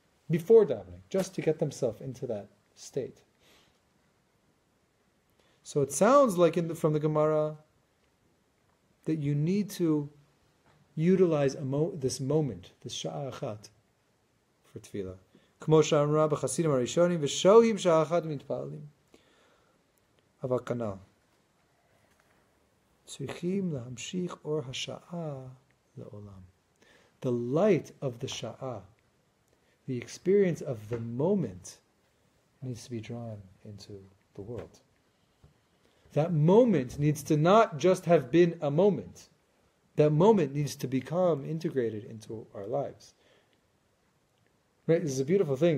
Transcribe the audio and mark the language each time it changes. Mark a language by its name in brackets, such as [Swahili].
[English] Before davening, just to get themselves into that state. So it sounds like from the Gemara that you need to utilize this moment, this Sha'achat, for Tefillah. [Hebrew] כמו שאמרו רבי חסידים הראשונים, ושוהים שעה אחת מתפללים. אבל כנ"ל. צריכים להמשיך אור השעה לעולם. [English] The light of the שעה, the experience of the moment, needs to be drawn into the world. That moment needs to not just have been a moment. That moment needs to become integrated into our lives. Right, this is a beautiful thing.